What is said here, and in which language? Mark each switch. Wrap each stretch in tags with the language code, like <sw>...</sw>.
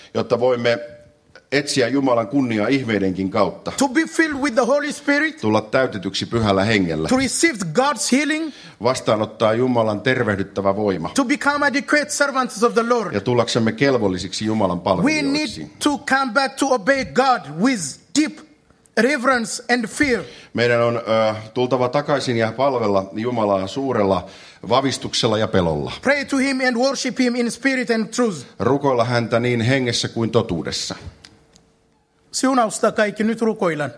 <fi>Jotta voimme etsiä Jumalan kunniaa ihmeidenkin kautta.</fi> <en>To be filled with the Holy Spirit.</en> <fi>Tulla täytetyksi Pyhällä Hengellä.</fi> <en>To receive God's healing.</en> <fi>Vastaanottaa Jumalan tervehdyttävä voima.</fi> <en>To become adequate servants of the Lord.</en> <fi>Ja tullaksemme kelvollisiksi Jumalan palvelijoiksi.</fi> <en>We need to come back to obey God with deep reverence and fear.</en> <fi>Meidän on tultava takaisin ja palvella Jumalaa suurella vavistuksella ja pelolla.</fi> <en>Pray to him and worship him in spirit and truth.</en> <fi>Rukoilla häntä niin hengessä kuin totuudessa. Siunausta kaikki, nyt rukoillaan</fi>